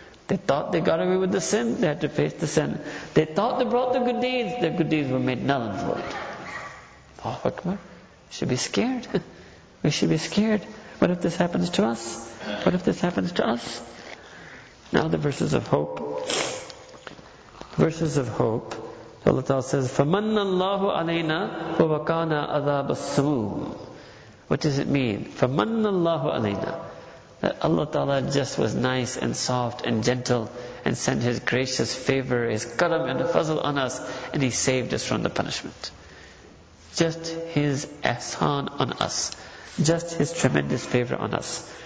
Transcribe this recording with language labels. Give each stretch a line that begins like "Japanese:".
English: They thought they got away with the sin, they had to face the sin. They thought they brought the good deeds, their good deeds were made null and void. Allahu Akbar. We should be scared. We should be scared. What if this happens to us? What if this happens to us? Now the verses of hope. Verses of hope. Allah Ta'ala says,
Arabic: فَمَنَّ اللَّهُ عَلَيْنَا وَوَقَانَا عَذَابَ السَّمُومِ.
English: What does it mean?
Arabic: فَمَنَّ اللَّهُ عَلَيْنَا.
English: That Allah Ta'ala just was nice and soft and gentle and sent His gracious favor, His karam and fazl on us, and He saved us from the punishment. Just His ihsan on us. Just His tremendous favor on us.